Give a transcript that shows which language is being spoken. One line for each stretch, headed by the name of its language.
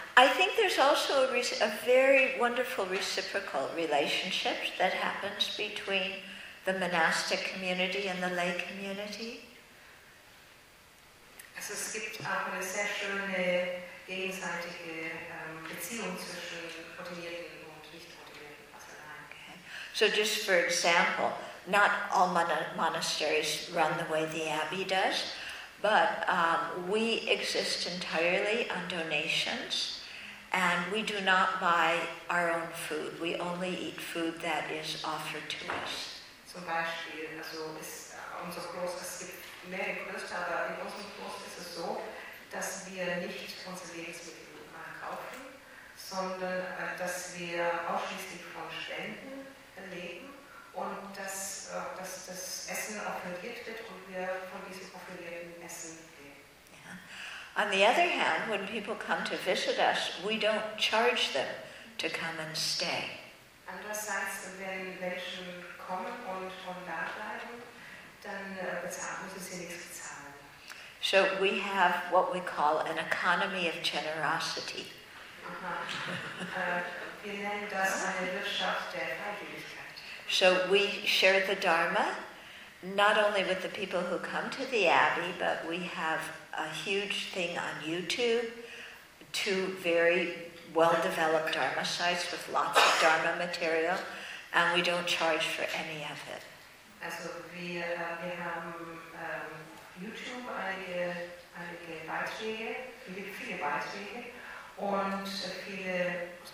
English: I think there's also a very wonderful reciprocal relationship that happens between the monastic community and the lay community.
German: Also es gibt auch eine sehr schöne gegenseitige Beziehung zwischen Ordinierten und Nicht-Ordinierten.
English: So just for example, not all monasteries run the way the Abbey does, but we exist entirely on donations. And we do not buy our own food. We only eat food that is offered to us.
German: Zum Beispiel, also ist unser Kloster, es gibt mehr Klöster, aber in unserem Kloster ist es so, dass wir nicht unsere Lebensmittel kaufen, sondern dass wir ausschließlich von Spenden leben und dass, dass das Essen offeriert wird und wir von diesem offerierten Essen leben.
English: On the other hand, when people come to visit us, we don't charge them to come and stay.
German: Andererseits, wenn Menschen kommen und von da bleiben, dann müssen sie nichts bezahlen.
English: So we have what we call an economy of generosity.
German: Wir nennen das eine Wirtschaft der Freigebigkeit.
English: So we share the Dharma, not only with the people who come to the Abbey, but we have a huge thing on YouTube, two very well-developed Dharma sites with lots of Dharma material, and we don't charge for any of it.
German: Also, wir haben YouTube einige Beiträge, viele Beiträge und viele